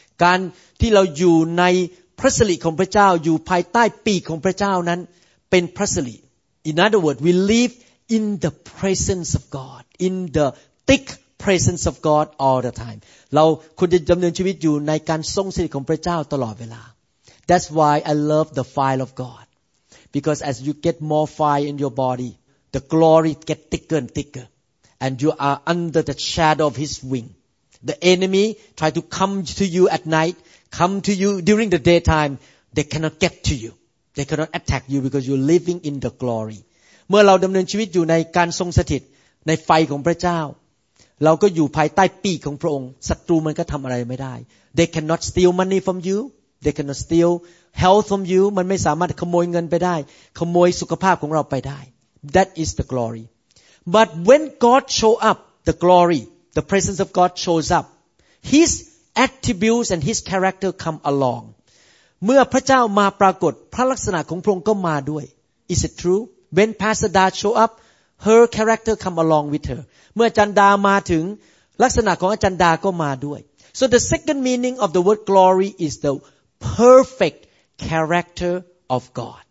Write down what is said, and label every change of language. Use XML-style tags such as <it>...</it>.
<th>การที่เราอยู่ในพระสิริของพระเจ้าอยู่ภายใต้ปีกของพระเจ้านั้นเป็นพระสิริ</th> <en>In other words, we live in the presence of God, in the thick presence of God all the time.</en> <th>เราควรจะดำเนินชีวิตอยู่ในการทรงสถิตของพระเจ้าตลอดเวลา</th> <en>That's why I love the fire of God. Because as you get more fire in your body, the glory get thicker and thicker. And you are under the shadow of His wing. The enemy try to come to you at night, come to you during the daytime. They cannot get to you. They cannot attack you because you're living in the glory.</en> <th>เมื่อเราดำเนินชีวิตอยู่ในการทรงสถิตในไฟของพระเจ้าเราก็อยู่ภายใต้ปีกของพระองค์ศัตรูมันก็ทำอะไรไม่ได้</th> <en>They cannot steal money from you. They cannot steal health from you.</en> <th>มันไม่สามารถขโมยเงินไปได้ขโมยสุขภาพของเราไปได้</th> <en>That is the glory. But when God show up, the gloryThe presence of God shows up. His attributes and His character come along.</en> <th>เมื่อพระเจ้ามาปรากฏพระลักษณะของพระองค์ก็มาด้วย</th> <en>Is it true? When Pastor Da show up, her character come along with her.</en> <th>เมื่ออาจารย์ดามาถึงลักษณะของอาจารย์ดาก็มาด้วย</th> <en>So the second meaning of the word glory is the perfect character of God.</en>